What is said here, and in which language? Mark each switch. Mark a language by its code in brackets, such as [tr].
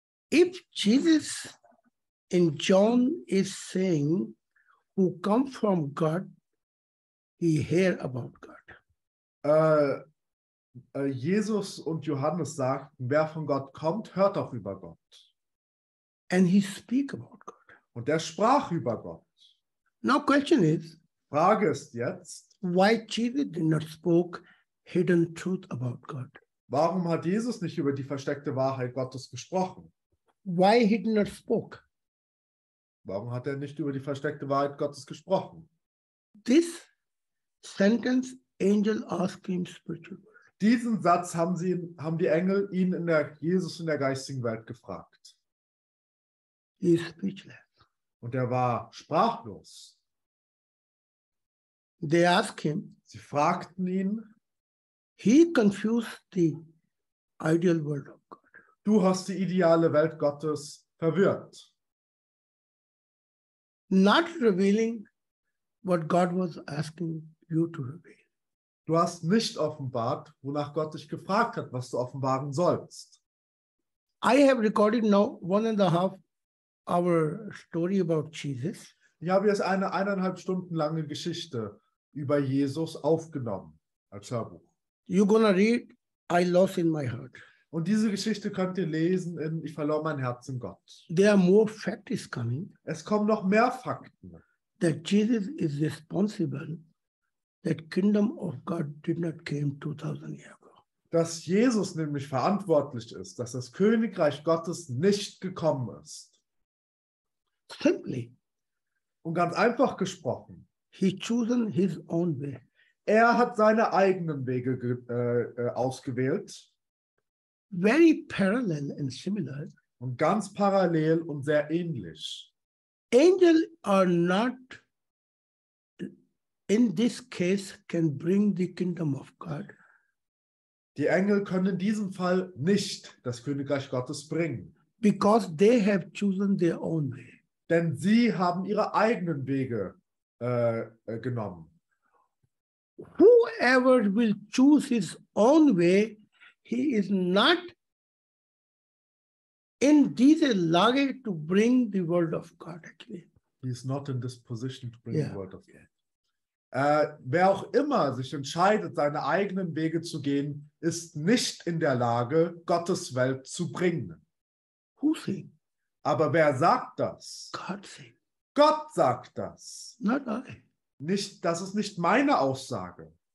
[en] if Jesus in John is saying, who come from God, he hear about God. [de] Jesus und Johannes sagten, wer von Gott kommt, hört auch über Gott. [en] And he speak about God. [de] Und er sprach über Gott. [en] Now question is, [de] Frage ist jetzt, [en] why Jesus did not spoke hidden truth about God? [de] Warum hat Jesus nicht über die versteckte Wahrheit Gottes gesprochen? [en] Why he did not spoke? [de] Warum hat er nicht über die versteckte Wahrheit Gottes gesprochen? [en] This sentence angel asked him spiritually. [de] Diesen Satz haben die Engel ihn in der Jesus in der geistigen Welt gefragt. [en] He is speechless. [de] Und er war sprachlos. [en] They asked him. [de] Sie fragten ihn. [en] He confused the ideal world of God. [de] Du hast die ideale Welt Gottes verwirrt. [en] Not revealing what God was asking you to reveal. [de] Du hast nicht offenbart, wonach Gott dich gefragt hat, was du offenbaren sollst. [en] I have recorded now 1.5 hour story about Jesus. [de] Ich habe jetzt eine 1.5 Stunden lange Geschichte über Jesus aufgenommen als Hörbuch. [en] You're gonna read I Lost in My Heart. [de] Und diese Geschichte könnt ihr lesen in Ich verlor mein Herz in Gott. [en] There are more facts coming. [de] Es kommen noch mehr Fakten. [en] That Jesus is responsible. That kingdom of God did not came 2000 years ago. [de] Dass Jesus nämlich verantwortlich ist, dass das Königreich Gottes nicht gekommen ist. [en] Simply. [de] Und ganz einfach gesprochen. [en] He chosen his own way. [de] Er hat seine eigenen Wege ausgewählt. [en] Very parallel and similar. [de] Und ganz parallel und sehr ähnlich. [en] Angel are not. In this case can bring the kingdom of God. [de] Die Engel können in diesem Fall nicht das Königreich Gottes bringen. [en] Because they have chosen their own way. [de] Denn sie haben ihre eigenen Wege genommen. [en] Whoever will choose his own way, he is not in this Lage to bring the word of God actually. He is not in this position to bring the word of God. [de] Wer auch immer sich entscheidet, seine eigenen Wege zu gehen, ist nicht in der Lage, Gottes Welt zu bringen. [en] Who sing? [de] Aber wer sagt das? [en] God sing. [de] Gott sagt das. [en] Not I. [de] Nicht, das ist nicht meine Aussage.